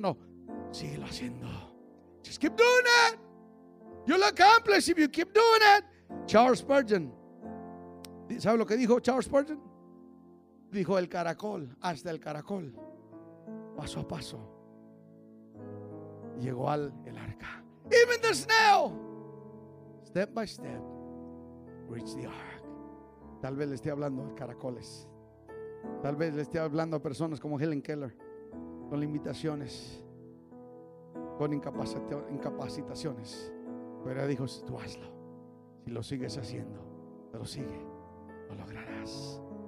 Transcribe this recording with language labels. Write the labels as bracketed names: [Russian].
[Spanish] No, síguelo haciendo. [English] Just keep doing it. You'll accomplish if you keep doing it. Charles Spurgeon. [Spanish] ¿Sabe lo que dijo Charles Spurgeon? Dijo, el caracol, hasta el caracol, paso a paso, llegó al el arca. [English] Even the snail, step by step, reach the ark. [Spanish] Tal vez le esté hablando a caracoles. Tal vez le esté hablando a personas como Helen Keller, con limitaciones, con incapacitaciones. Pero ella dijo, tú hazlo. Si lo sigues haciendo, pero sigue, lo lograrás.